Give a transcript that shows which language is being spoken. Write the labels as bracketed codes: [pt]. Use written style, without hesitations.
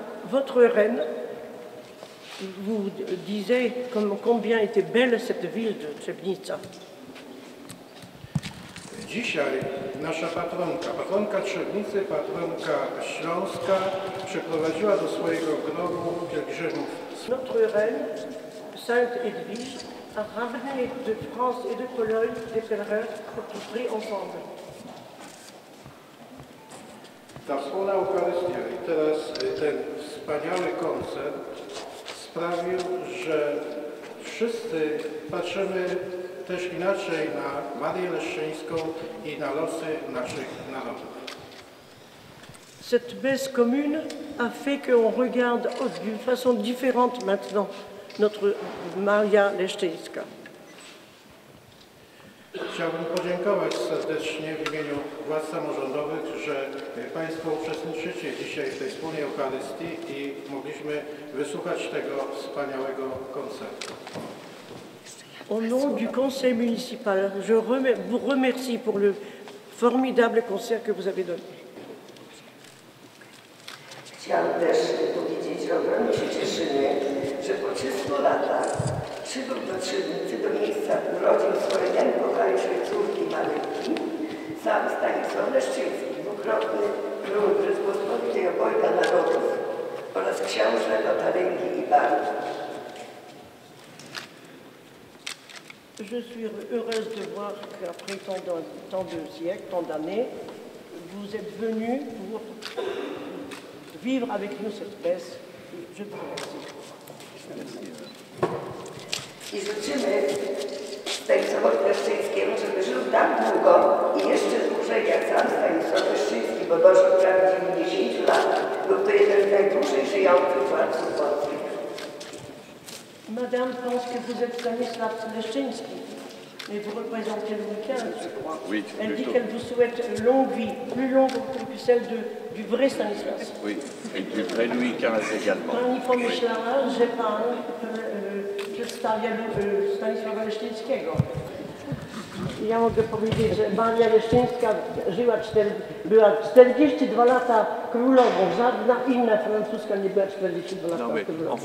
[fr] Votre reine vous disait combien était belle cette ville de Trzebnica. [pl] Dzisiaj nasza patronka, patronka Trzebnicy, patronka Śląska, przeprowadziła do swojego grobu pielgrzymów. [fr] Notre reine, Sainte Edwige, a ramené de France et de Pologne des pèlerins pour qu'ils prient ensemble. [pl] Ta wspólna Eucharystia i teraz ten wspaniały koncert sprawił, że wszyscy patrzymy też inaczej na Marię Leszczyńską i na losy naszych narodów. [fr] Cette messe commune a fait qu'on regarde d'une façon différente maintenant notre Maria Leszczyńska. [pl] Chciałbym podziękować serdecznie w imieniu władz samorządowych, że Państwo uczestniczycie dzisiaj w tej wspólnej Eucharystii i mogliśmy wysłuchać tego wspaniałego koncertu. [fr] Au nom du conseil municipal, je vous remercie pour le formidable concert que vous avez donné. [pl] Chciałam też powiedzieć, że ogromnie się cieszymy, że po 30 latach przybył do Trzynicy, do miejsca urodził swoje najkochańsze córki Marynki, sam Stanisław Leszczyński, dwukrotny król Rzeczpospolitej Obojga Narodów oraz książę Lotaryngii i Barów. [fr] Je suis heureuse de voir qu'après tant de siècles, tant d'années, vous êtes venu pour vivre avec nous cette messe. Je vous remercie. [pl] I życzymy Stanisławowi Leszczyńskiemu, żeby żył tak długo i jeszcze dłużej jak sam Stanisław Leszczyński, bo dożył prawie 90 lat. Był to jeden z najdłużej żyjących władców polskich. [fr] Madame pense que vous êtes Stanislav Leszczyński, mais vous représentez Louis XV, je crois. Oui, elle dit qu'elle vous souhaite longue vie, plus longue que celle du vrai Stanislav. Oui, et du vrai Louis XV également. [pl] Pani pomyślała, że pan przedstawia Stanisława Leszczyńskiego. Ja mogę powiedzieć, że Maria Leszczyńska była 42 lata królową. Żadna inna francuska nie była 42 lata królową.